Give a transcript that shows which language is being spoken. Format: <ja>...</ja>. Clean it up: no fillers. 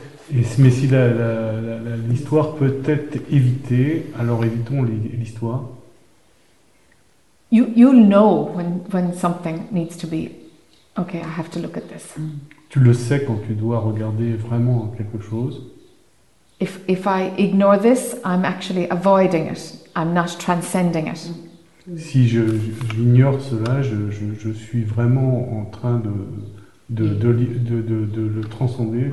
<fr>Mais si l'histoire peut être évitée, alors évitons l'histoire.</fr> <en>You'll know when something needs to be. Okay, I have to look at this.</en> <fr>Tu le sais quand tu dois regarder vraiment quelque chose.</fr> <en>If I ignore this, I'm actually avoiding it. I'm not transcending it.</en> <fr>Si j'ignore cela, je suis vraiment en train de le transcender.</fr>